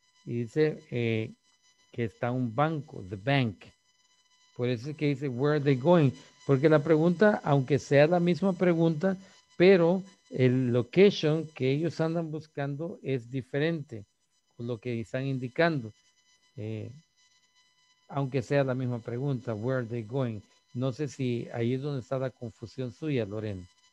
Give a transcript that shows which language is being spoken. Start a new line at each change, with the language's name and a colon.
Spanish: Y dice que está un banco,
English: the bank.
Spanish: Por eso es que dice,
English: where are they going?
Spanish: Porque la pregunta, aunque sea la misma pregunta, pero el location que ellos andan buscando es diferente con lo que están indicando. Aunque sea la misma pregunta,
English: where are they going?
Spanish: No sé si ahí es donde está la confusión suya, Lorena.